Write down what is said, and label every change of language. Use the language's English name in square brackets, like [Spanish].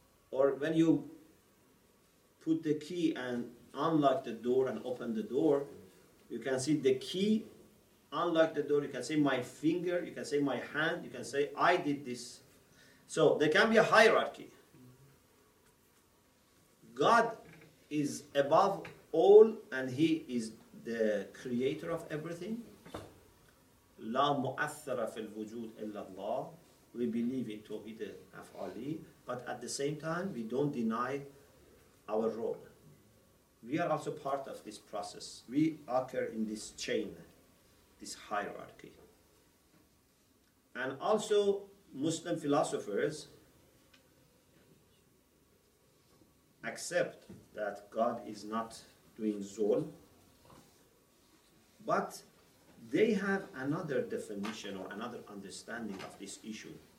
[English] Or when you put the key and unlock the door and open the door, you can see the key, unlock the door, you can say my finger, you can say my hand, you can say I did this. So there can be a hierarchy. God is above all and he is the creator of everything. [Arabic] لا مؤثر في الوجود إلا الله. [English] We believe in Tawhid al-Af'ali, but at the same time, we don't deny our role. We are also part of this process. We occur in this chain, this hierarchy. And also, Muslim philosophers accept that God is not doing zul, but they have another definition or another understanding of this issue.